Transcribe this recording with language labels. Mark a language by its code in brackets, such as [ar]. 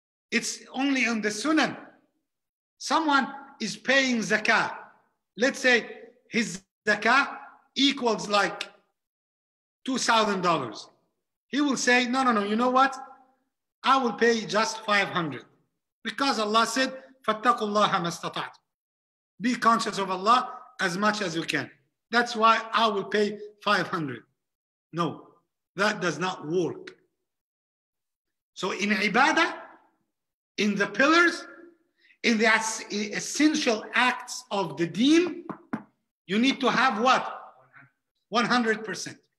[en] It's only in the sunnah. Someone is paying zakah. Let's say his zakah equals like $2,000. He will say, no, you know what? I will pay just 500. Because Allah said, [ar] فَاتَّقُوا اللَّهَ مَا اسْتَطَعْتُ. [en] Be conscious of Allah as much as you can. That's why I will pay 500. No, that does not work. So in ibadah, in the pillars, in the essential acts of the deen, you need to have what? 100%.